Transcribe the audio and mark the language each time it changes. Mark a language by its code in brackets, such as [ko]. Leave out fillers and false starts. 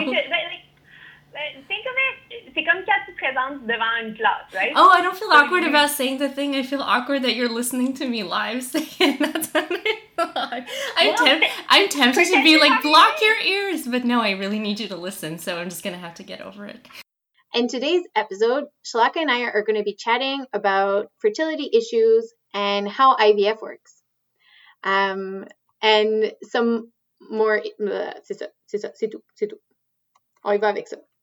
[en] Think of it, [fr] c'est comme quand tu présentes devant une classe, [en] right? Oh, I don't feel awkward about saying the thing. I feel awkward that you're listening to me live saying that. I'm tempted to be like, block your ears. But no, I really need you to listen. So I'm just going to have to get over it. In today's episode, Shalaka and I are going to be chatting about fertility issues and how IVF works. And some more, [fr] c'est tout. On y va avec ça.